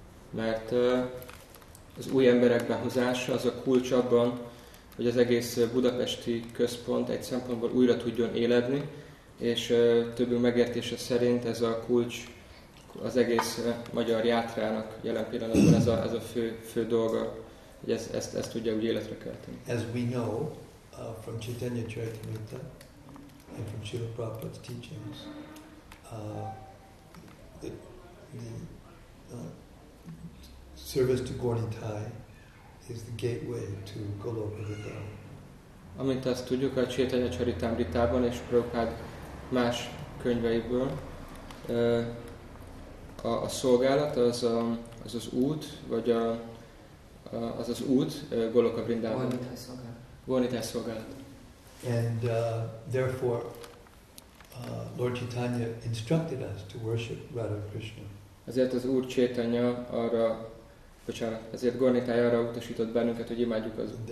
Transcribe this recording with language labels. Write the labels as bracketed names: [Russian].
[Hungarian] Mert az új emberek behozása az a kulcs abban, hogy az egész budapesti központ egy szempontból újra tudjon éledni, és többünk megértése szerint ez a kulcs az egész magyar játrának jelen pillanatban ez a fő dolga, hogy ezt tudja úgy életre kelteni. [English] As we know from Chaitanya Charitamrita and from Srila Prabhupada's teachings, the service to Gornitai is the gateway to Goloka Vrindavan. [Hungarian] Amint azt tudjuk a Chaitanya Charitamritában és Prabhupád más könyveiből, a szolgálat az a, az az út, vagy a, az az út Goloka Vrindavan. [English] Gornitai [Hungarian] szolgálat. [English] And therefore Lord Chaitanya instructed us to worship Radha Krishna. [Hungarian] Ezért az Úr Chaitanya arra, bocsánat, ezért Gornitai arra utasított bennünket, hogy imádjuk az